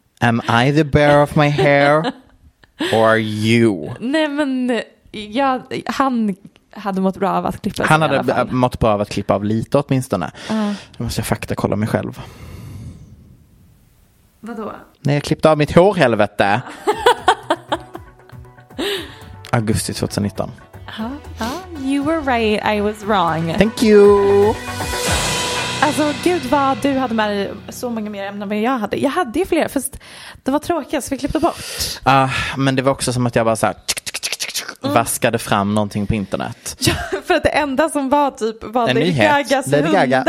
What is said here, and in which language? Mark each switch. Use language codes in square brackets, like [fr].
[en] Am I the bearer of my hair? Or are you? [sv] Nej, men jag, han hade mått bra av att klippa av. Han hade mått bra av att klippa av lite åtminstone. Nu måste jag fakta kolla mig själv. Vadå? Nej, jag klippte av mitt hår, helvete. Augusti 2019. [en] You were right, I was wrong. Thank you. [sv] Alltså gud vad du hade med dig så många mer ämnen än jag hade. Jag hade ju fler, fast det var tråkigt så vi klippte bort. Men det var också som att jag bara såhär vaskade fram någonting på internet. Ja, för att det enda som var typ var en nyhet. Gagas hundar.